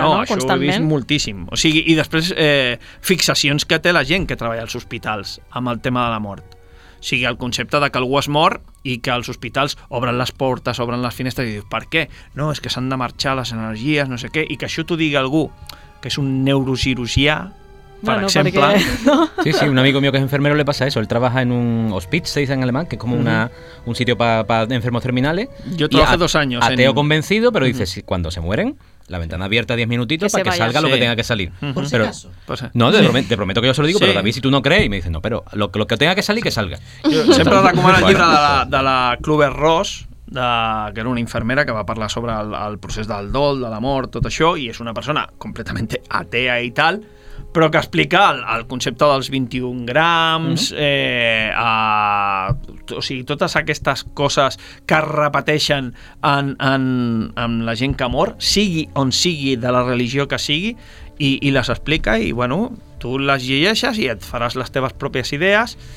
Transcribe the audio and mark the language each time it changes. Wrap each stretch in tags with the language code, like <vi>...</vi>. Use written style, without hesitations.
<ca>Sí, no, això ho he vist moltíssim. O sigui, i després fixacions que té la gent que treballa als hospitals amb el tema de la mort. O sigui, el concepte de que algú es mor i que els hospitals obren les portes, obren les finestres i dius, per què? No, és que s'han de marxar les energies, no sé què, i que això t'ho digui algú que és un neurocirurgià, per bueno, exemple. Perquè...</ca> <es>Sí, un amigo mío que es enfermero le pasa eso. Él trabaja en un hospital, se dice en alemán, que es como un sitio para enfermos terminales. Yo trabajé 2 años. Ateo convencido, pero dice, si cuando se mueren, la ventana abierta 10 minutitos para que salga lo que tenga que salir. Por si acaso. No, te prometo que yo se lo digo, pero David, si tú no crees, y me dice, no, pero lo que tenga que salir, que salga.</es> <ca>Siempre recomiendo el libro de la Kluber Ross, que era una infermera que va parlar sobre el procés del dol, de la mort, tot això, i és una persona completamente atea i tal, però que explica el concepte dels 21 grams, o sigui, totes aquestes coses que es repeteixen en la gent que mor, sigui on sigui, de la religió que sigui, i les explica, i bueno, tu les llegeixes i et faràs les teves pròpies idees.</ca>